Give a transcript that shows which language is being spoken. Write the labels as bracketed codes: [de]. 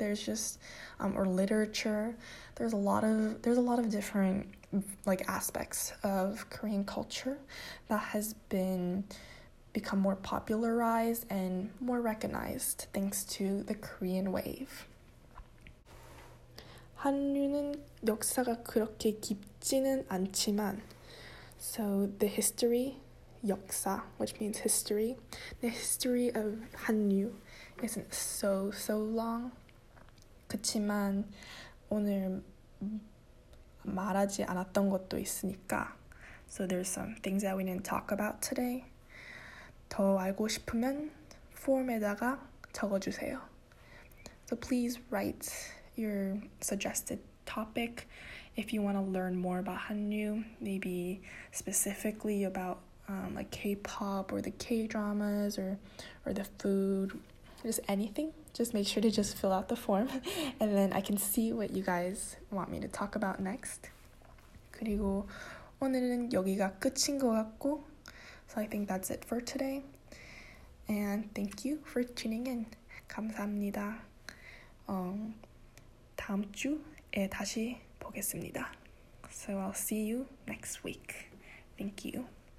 [en] There's just or literature. There's a lot of different like aspects of Korean culture that has been. Become more popularized and more recognized thanks to the Korean wave. [ko] 한류는 역사가 그렇게 깊지는 않지만 [en] So the history, 역사, which means history, the history of 한류 isn't so, so long. [ko] 그치만 오늘 말하지 않았던 것도 있으니까 [en] So there's some things that we didn't talk about today. [ko] 더 알고 싶으면 폼에다가 적어주세요. [en] So please write your suggested topic if you want to learn more about Hanyu, maybe specifically about like K-pop or the K-dramas or the food, just anything. Just make sure to just fill out the form and then I can see what you guys want me to talk about next. [ko] 그리고 오늘은 여기가 끝인 것 같고 [en] So I think that's it for today. And thank you for tuning in. [ko] 감사합니다. 다음 주에 다시 보겠습니다. [en] So I'll see you next week. Thank you.